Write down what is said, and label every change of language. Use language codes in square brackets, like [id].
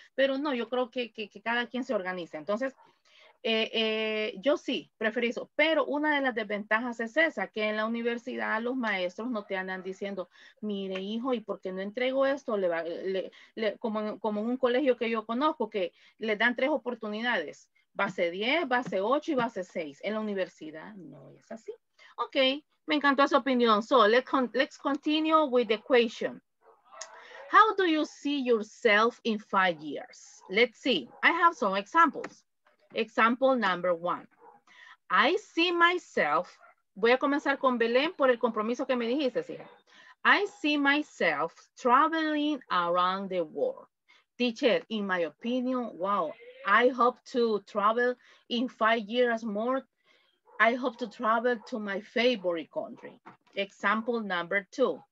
[es] Pero no, yo creo que cada quien se organiza. Entonces, yo sí, preferí eso, pero una de las desventajas es esa, que en la universidad los maestros no te andan diciendo, mire hijo, ¿y por qué no entrego esto? Como en un colegio que yo conozco, que le dan 3 oportunidades, base 10, base 8 y base 6, en la universidad no es así. Ok, me encantó esa opinión. [en] So, let's continue with the question. How do you see yourself in 5 years? Let's see, I have some examples. Example number 1. I see myself. [es] Voy a comenzar con Belén por el compromiso que me dijiste, hija. [en] I see myself traveling around the world. Teacher, in my opinion, wow. I hope to travel in 5 years more. I hope to travel to my favorite country. Example number 2.